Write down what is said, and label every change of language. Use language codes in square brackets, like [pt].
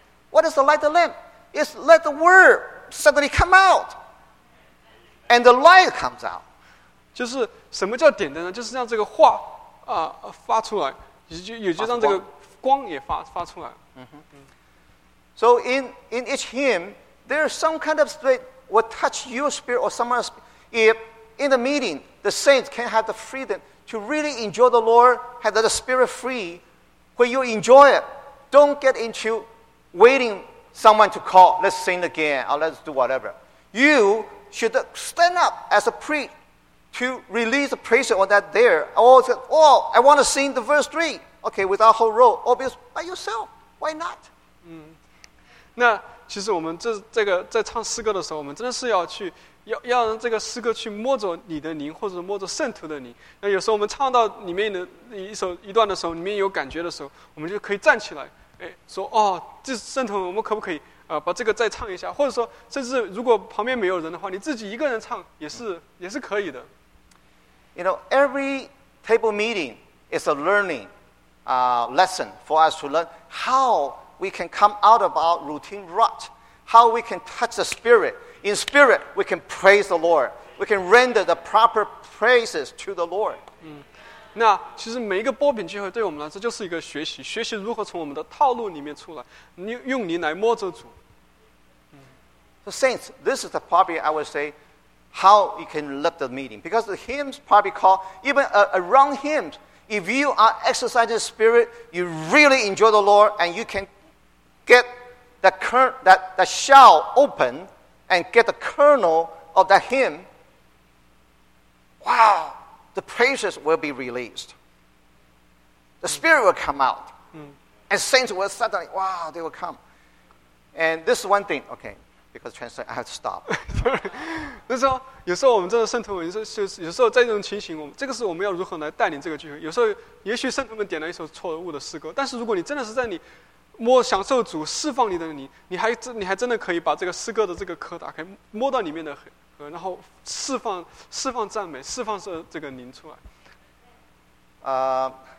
[en] What is the light the lamp? It's let the word suddenly come out, and the light comes out. [zh] 就是什么叫点灯呢？就是让这个话发出来，也就让这个光也发出来。 [en] So in each hymn, there is some kind of spirit will touch your spirit or someone's spirit. If in the meeting, the saints can have the freedom to really enjoy the Lord, have the spirit free, when you enjoy it, don't get into waiting someone to call, let's sing again, or let's do whatever. You should stand up as a priest to release the praise on that there. Or say, oh, I want to sing the verse 3. Okay, with our whole row. Or by yourself. Why not? Mm. [zh] 那其实我们这个在唱诗歌的时候，我们真的是要去要让这个诗歌去摸着你的灵，或者摸着圣徒的灵。那有时候我们唱到里面的一段的时候，里面有感觉的时候，我们就可以站起来，哎，说哦，这圣徒，我们可不可以把这个再唱一下？或者说，甚至如果旁边没有人的话，你自己一个人唱也是可以的。 [en] You know, every table meeting is a learning, lesson for us to learn how. We can come out of our routine rut. How we can touch the spirit. In spirit, we can praise the Lord. We can render the proper praises to the Lord. [zh] 那其实每一个波饼聚会对我们来说就是一个学习，学习如何从我们的套路里面出来，用灵来摸着主。 [en] So saints, this is the probably I would say how you can lead the meeting. Because the hymns probably call even a wrong hymns. If you are exercising the spirit, you really enjoy the Lord and you can. Get the current that shell open and get the kernel of that hymn. Wow, the praises will be released. The spirit will come out. And saints will suddenly, wow, they will come. And this is one thing, okay, because translation, I have to stop. [zh] 就是说，有时候我们这个圣徒们，有时候在这种情形，这个是我们要如何来带领这个聚会。有时候，也许圣徒们点了一首错误的诗歌，但是如果你真的是在你摸享受主释放你的灵，你还真的可以把这个诗歌的这个壳打开，摸到里面的核，然后释放赞美，释放这个灵出来。